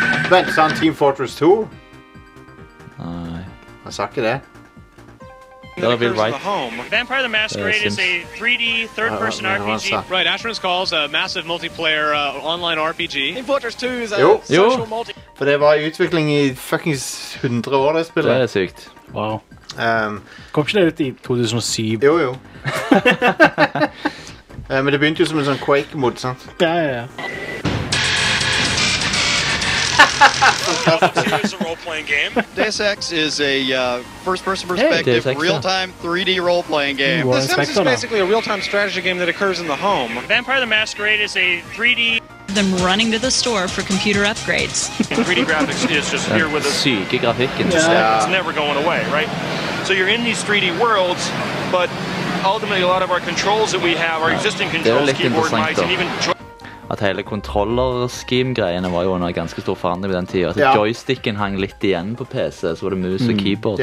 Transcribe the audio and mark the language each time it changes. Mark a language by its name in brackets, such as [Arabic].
[Norwegian] Vent, sa han Team Fortress 2? Nei. Han sa ikke det. [English] That'll be right. Vampire the Masquerade is a 3D third-person RPG. Right, Asheron's Call is a massive multiplayer online RPG. Team Fortress 2 is a social multiplayer. [Norwegian] For det var i utvikling i fucking 100 år det spillet. Det er sykt. Wow. Kom ikke det ut i 2007? Jo. Men det begynte jo som en sånn Quake-mod, sant? Ja. [English] Deus 2 is a role-playing game. Deus Ex is a first-person perspective, real-time 3D role-playing game. The Sims is basically a real-time strategy game that occurs in the home. Vampire the Masquerade is a 3D... ...them running to the store for computer upgrades. 3D graphics is just here with us. [Norwegian] Syke grafikken. [English] It's never going away, right? So you're in these 3D worlds, but ultimately a lot of our controls that we have, our existing controls, keyboard, mice, and even... [Norwegian] At hele controller-scheme-greiene var jo under ganske stor forandring på den tiden. Altså, joysticken hang litt igjen på PC, så var det mus og keyboard.